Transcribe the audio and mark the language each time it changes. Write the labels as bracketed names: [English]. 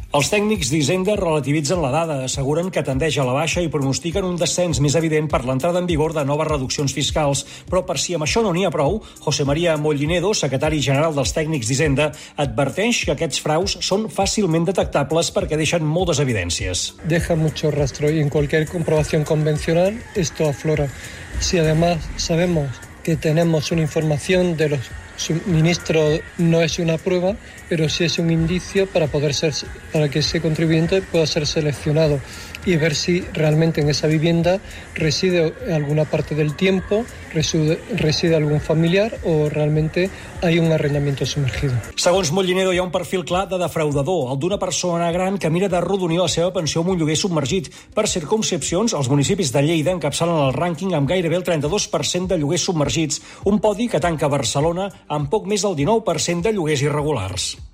[Catalan] Els tècnics d'Hisenda relativitzen la dada, asseguren que tendeix a la baixa i pronostiquen un descens més evident per l'entrada en vigor de noves reduccions fiscals. Però per si amb això no n'hi ha prou, José María Mollinedo, secretari general dels tècnics d'Hisenda, adverteix que aquests fraus són fàcilment detectables perquè deixen moltes evidències. [Spanish] Deja mucho rastro y en cualquier comprobación convencional esto aflora. Si además sabemos que tenemos una información de los suministro no es una prueba, pero sí es un indicio para poder ser, para que ese contribuyente pueda ser seleccionado y ver si realmente en esa vivienda reside alguna parte del tiempo, reside algún familiar o realmente hay un arrendamiento sumergido. [Catalan] Segons Mollinedo, hi ha un perfil clar de defraudador, el d'una persona gran que mira d'arrodonir la seva pensió amb un lloguer submergit. Per circumscripcions, els municipis de Lleida encapçalen el rànquing amb gairebé el 32% de lloguers submergits, un podi que tanca Barcelona amb poc més del 19% de lloguers irregulars.